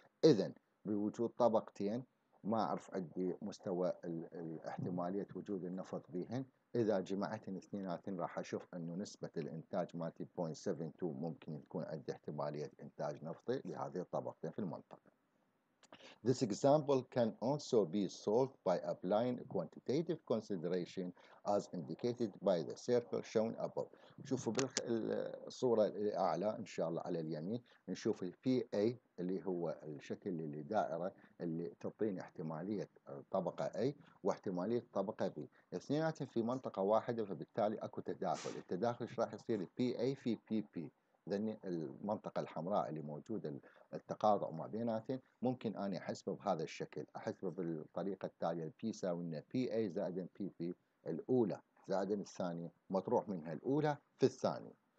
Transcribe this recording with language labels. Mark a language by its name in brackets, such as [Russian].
[Arabic] إذن بوجود طبقتين ما أعرف عندي مستوى الاحتمالية وجود النفط بهن، إذا جمعت الاثنيناتن راح أشوف أنه نسبة الإنتاج مالتي 0.72 ممكن تكون عندي احتمالية إنتاج نفطي لهذه الطبقتين في المنطقة. [English] This example can also be solved by applying quantitative consideration as indicated by the circle shown above. [Arabic] شوفوا بالصورة الأعلى إن شاء الله على اليمين نشوف الـ PA اللي هو الشكل اللي دائرة اللي تعطيني احتمالية طبقة A واحتمالية طبقة B اثنيناتهم في منطقة واحدة، فبالتالي أكو تداخل. التداخل إيش راح يصير؟ PA في PP ذني المنطقة الحمراء اللي موجودة التقاطع ما بيناتهم، ممكن أني أحسبه بهذا الشكل، أحسبه بالطريقة التالية P يساوينا PA زائد PP الأولى زائد الثانية مطروح منها الأولى في الثانية،